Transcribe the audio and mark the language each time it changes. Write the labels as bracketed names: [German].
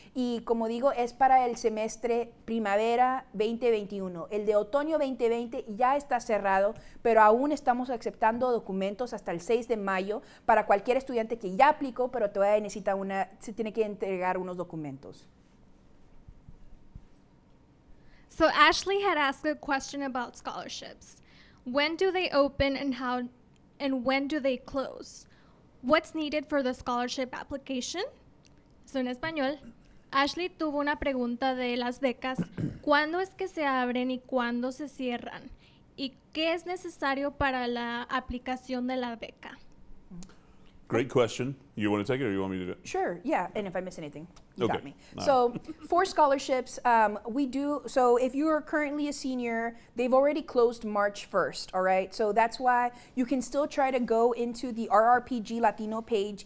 [Spanish] Y como digo, es para el semestre primavera 2021. El de otoño 2020 ya está cerrado, pero aún estamos aceptando documentos hasta el 6 de mayo para cualquier estudiante que ya aplicó, pero todavía necesita una, se tiene que entregar unos documentos. [English] So Ashley had asked a question about scholarships. When do they open and how and when do they close? What's needed for the scholarship application? [Spanish] So en español, Ashley tuvo una pregunta de las becas. ¿Cuándo es que se abren y cuándo se cierran? ¿Y qué es necesario para la aplicación de la beca? [English] Great question. You want to take it or you want me to do it? Sure, yeah. And if I miss anything, you okay. Got me. No. So for scholarships, we do, so if you are currently a senior, they've already closed March 1st, all right? So that's why you can still try to go into the RRPG Latino page.